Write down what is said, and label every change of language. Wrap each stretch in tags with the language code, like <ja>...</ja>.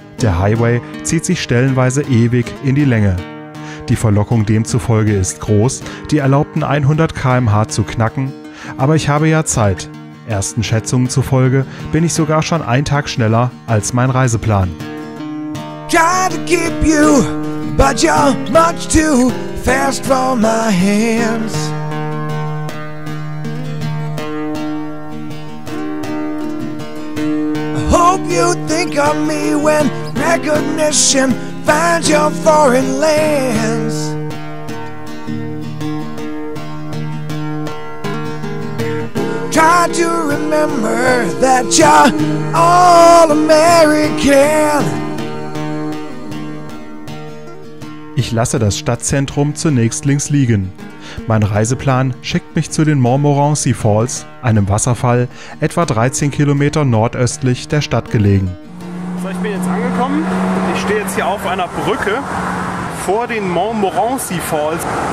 <de>Der Highway zieht sich stellenweise ewig in die Länge. Die Verlockung demzufolge ist groß, die erlaubten 100 km/h zu knacken, aber ich habe ja Zeit. Ersten Schätzungen zufolge bin ich sogar schon einen Tag schneller als mein Reiseplan.</de> <en>Gotta keep you, but you're much too fast for my hands. I hope you think of me when recognition finds your foreign lands. Try to remember that you're all American.</en> <de>Ich lasse das Stadtzentrum zunächst links liegen. Mein Reiseplan schickt mich zu den Montmorency Falls, einem Wasserfall, etwa 13 Kilometer nordöstlich der Stadt gelegen. So, ich bin jetzt angekommen. Ich stehe jetzt hier auf einer Brücke vor den Montmorency Falls.</de>